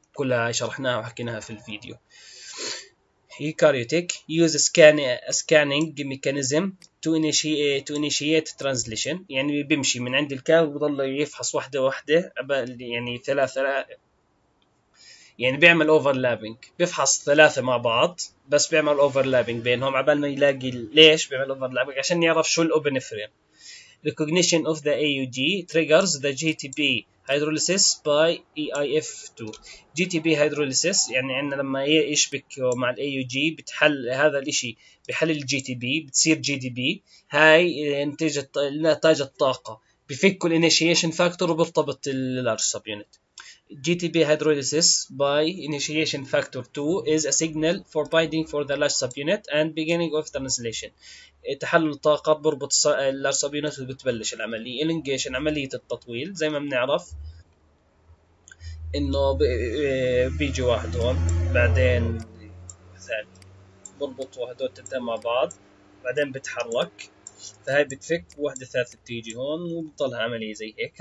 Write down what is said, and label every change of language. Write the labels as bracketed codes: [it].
[ar] كلها شرحناها وحكيناها في الفيديو. [en] eukaryotic uses scanning mechanism to initiate translation, [ar] يعني بيمشي من عند الكاب وبضل يفحص واحدة واحدة يعني ثلاثة، يعني بيعمل اوفرلابينج، بيفحص ثلاثة مع بعض بس بيعمل اوفرلابينج بينهم عبال ما يلاقي. ليش بيعمل اوفرلابينج؟ عشان يعرف شو الاوبن فريم. [en] Recognition of the AUG triggers the GTP hydrolysis by EIF2. [ar] GTP hydrolysis يعني عندنا لما يشبك مع الـ AUG بتحل هذا الإشي، بحل الـ GTP بتصير GDP، هاي نتاج الطاقة، بفك الـ initiation factor وبرتبط الـ large subunit. [en] GTP hydrolysis by initiation factor 2 is a signal for binding for the large subunit and beginning of translation. [ar] تحلل الطاقة بربط اللارج سب يونت وبتبلش العملية elongation، عملية التطويل. زي ما بنعرف انه بيجي واحد هون بعدين بربط واحد هون تنتهي مع بعض بعدين بتحرك، فهاي بتفك واحدة ثالثة بتيجي هون وبتطلع عملية زي هيك.